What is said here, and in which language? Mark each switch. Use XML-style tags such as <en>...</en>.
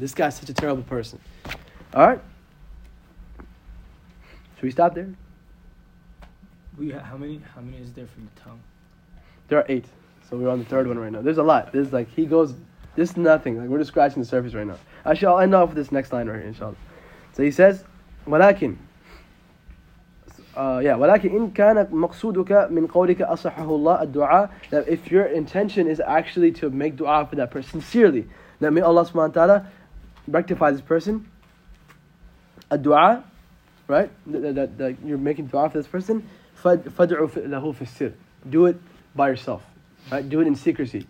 <en>This guy's such a terrible person. Alright? Should we stop there? How many is there from the tongue? There are 8. So we're on the third one right now. There's a lot. There's like, he goes, this is nothing. Like, we're just scratching the surface right now. Actually, I'll end off with this next line right here, inshallah. So he says,</en> <ar>وَلَكِنْ ولكن إن كان مقصودك من قولك أصحه الله الدعاء.</ar> <en>That if your intention is actually to make dua for that person sincerely, that may Allah subhanahu wa ta'ala rectify this person. الدعاء, right? That you're making dua for this person.</en> <ar>فدعوا له في السر.</ar> <en>Do it by yourself. Right? Do it in secrecy.</en>